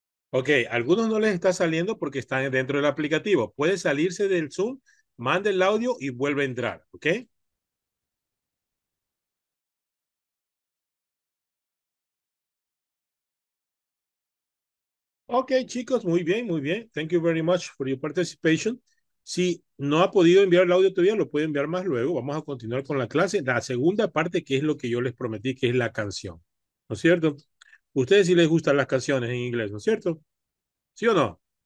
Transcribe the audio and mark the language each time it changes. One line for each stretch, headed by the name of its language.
Spanish: Ok, a algunos no les está saliendo porque están dentro del aplicativo. Puede salirse del Zoom, mande el audio y vuelve a entrar, ¿ok? Ok, chicos, muy bien, muy bien.
English: Thank you very much for your participation.
Spanish: Si no ha podido enviar el audio todavía, lo puede enviar más luego. Vamos a continuar con la clase. La segunda parte, que es lo que yo les prometí, que es la canción, ¿no es cierto? Ustedes sí les gustan las canciones en inglés, ¿no es cierto? ¿Sí o no?